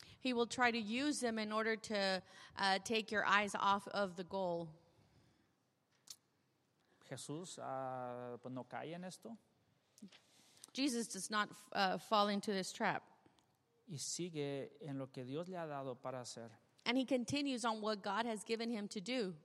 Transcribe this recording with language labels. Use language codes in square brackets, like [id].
[en] He will try to use them in order to take your eyes off of the goal. [es] Jesús no cae en esto. [en] Jesus does not fall into this trap. [es] Y sigue en lo que Dios le ha dado para hacer. [en] And he continues on what God has given him to do.